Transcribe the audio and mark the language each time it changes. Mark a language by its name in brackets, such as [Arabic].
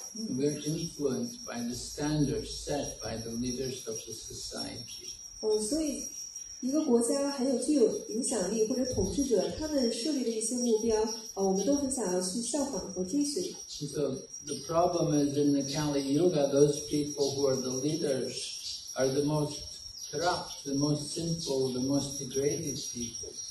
[English] We're influenced by the standards set by the leaders of the society. [Chinese] 所以一个国家很有具有影响力或者统治者，他们设立的一些目标，我们都很想要去效仿和追随。 [English] So the problem is in the Kali Yuga, those people who are the leaders are the most corrupt, the most sinful, the most degraded people.